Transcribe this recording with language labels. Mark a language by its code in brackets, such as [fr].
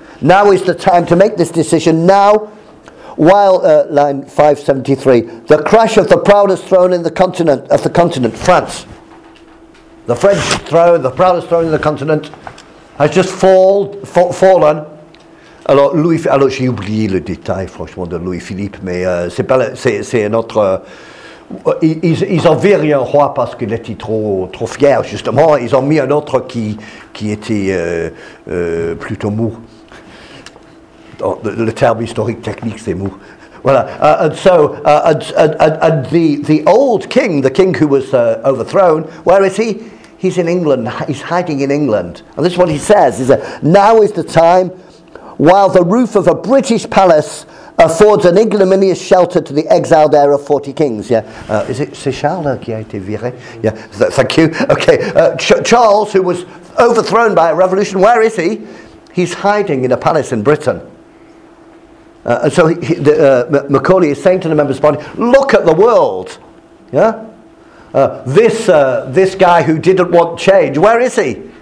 [en] Now is the time to make this decision. Now, while, line 573, the crash of the proudest throne in the continent, of the continent, France. The French throne, the proudest throne in the continent, has just fallen. [fr] Alors, alors j'ai oublié le détail, franchement, de Louis-Philippe, mais c'est un autre... ils ont viré un roi parce qu'il était trop fier, justement. Ils ont mis un autre qui était plutôt mou. Le terme historique technique, c'est mou. Voilà. [en] And the old king, the king who was overthrown, where is he? He's in England. He's hiding in England. And this is what he says. He says, now is the time... while the roof of a British palace affords an ignominious shelter to the exiled heir of 40 kings. Yeah, is it Charles [fr] qui a été viré? [en] Yeah, thank you. Okay, Charles, who was overthrown by a revolution, where is he? He's hiding in a palace in Britain. And so Macaulay is saying to the members of parliament, look at the world. Yeah, this guy who didn't want change, where is he?